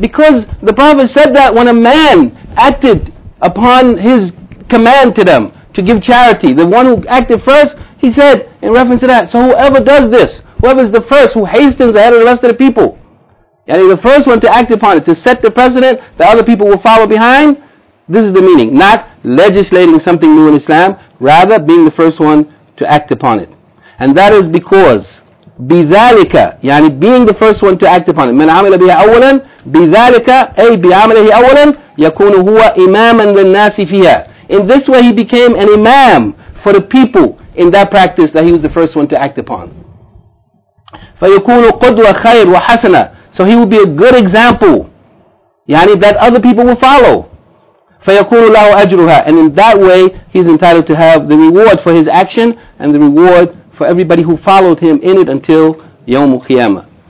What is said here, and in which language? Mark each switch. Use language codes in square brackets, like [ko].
[en] Because the Prophet said that when a man acted upon his command to them to give charity, the one who acted first, he said in reference to that, so whoever does this, whoever is the first who hastens ahead of the rest of the people, yani the first one to act upon it, to set the precedent, the other people will follow behind. This is the meaning, not legislating something new in Islam. rather being the first one to act upon it. And that is because [ar] بِذَلِكَ يعني [en] being the first one to act upon it. [ar] مَنْ عَمِلَ بِهَا أَوَّلًا بِذَلِكَ أي بِعَمِلَهِ أَوَّلًا يَكُونُ هُوَ إِمَامًا لِلنَّاسِ فِيهَا. [en] In this way he became an imam for the people in that practice that he was the first one to act upon. [ar] فَيَكُونُ قُدْوَ خَيْرٌ وَحَسَنًا. [en] So he will be a good example, يعني that other people will follow. [ar] فَيَكُونُ لَهُ أَجْرُهَا. [en] And in that way he's entitled to have the reward for his action and the reward for everybody who followed him in it until يَوْمُ الْقِيَامَةِ.